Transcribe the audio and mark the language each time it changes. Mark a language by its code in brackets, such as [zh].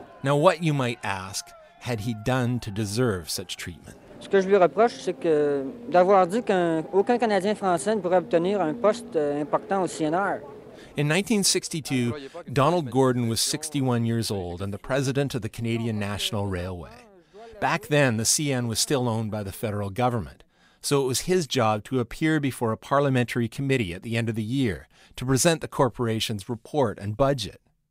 [en] Now, what, you might ask, had he done to deserve such treatment? [fr] Ce que je lui reproche, c'est que d'avoir dit qu'aucun Canadien français ne pourrait obtenir un poste important au CNR. [en] In 1962, Donald Gordon was 61 years old and the president of the Canadian National Railway. Back then, the CN was still owned by the federal government, so it was his job to appear before a parliamentary committee at the end of the year to present the corporation's report and budget.